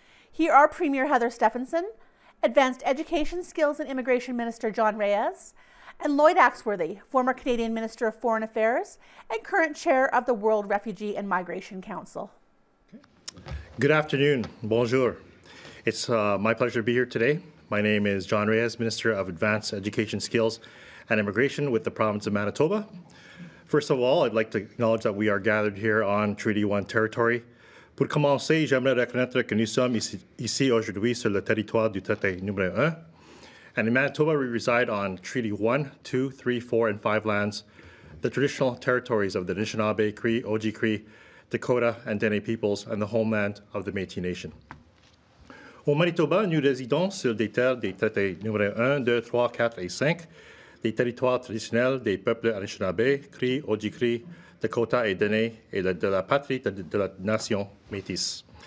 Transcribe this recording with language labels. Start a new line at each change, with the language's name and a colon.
English: Here are Premier Heather Stephenson, Advanced Education, Skills, and Immigration Minister John Reyes, and Lloyd Axworthy, former Canadian Minister of Foreign Affairs and current Chair of the World Refugee and Migration Council. Good afternoon. Bonjour. It's my pleasure to be here today. My name is John Reyes, Minister of Advanced Education, Skills, and Immigration with the Province of Manitoba. First of all, I'd like to acknowledge that we are gathered here on Treaty 1 territory.
French: Pour commencer, j'aimerais reconnaître que nous sommes ici aujourd'hui sur le territoire du traité numéro 1.
English: And in Manitoba, we reside on Treaty 1, 2, 3, 4, and 5 lands, the traditional territories of the Anishinaabe, Cree, Oji-Cree, Dakota, and Dene peoples, and the homeland of the Métis Nation.
French: Au Manitoba, nous résidons sur des terres des traités numéro 1, 2, 3, 4 et 5, des territoires traditionnels des peuples Anishinaabe, Cree, Oji-Cree, Dakota et Dene, et de la patrie de la nation Métis.